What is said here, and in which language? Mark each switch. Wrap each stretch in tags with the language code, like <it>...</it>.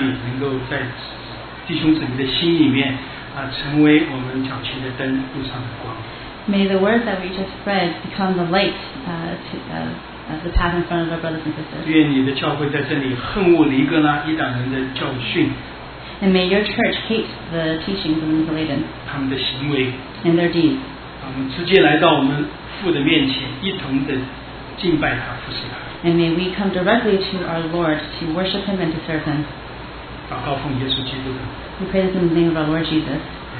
<zh>求我们刚才所练的你的话语能够在弟兄姊妹的心里面 成为我们脚前的灯, 路上的光。</zh> <en>May the words that we just spread become the light of the path in front of our brothers and sisters.</en> <zh>愿你的教会在这里恨恶离哥拉一党人的教训。</zh> <en>And may your church hate the teachings of the Nicolaitan.</en> <zh>他们的行为。</zh> <en>And their deeds.</en> <zh>让我们直接来到我们父的面前，一同的敬拜他，服侍他。</zh> <en>And may we come directly to our Lord to worship Him and to serve Him.</en> <zh>祷告奉耶稣基督的。</zh> <en>We pray this in the name of our Lord Jesus.</en>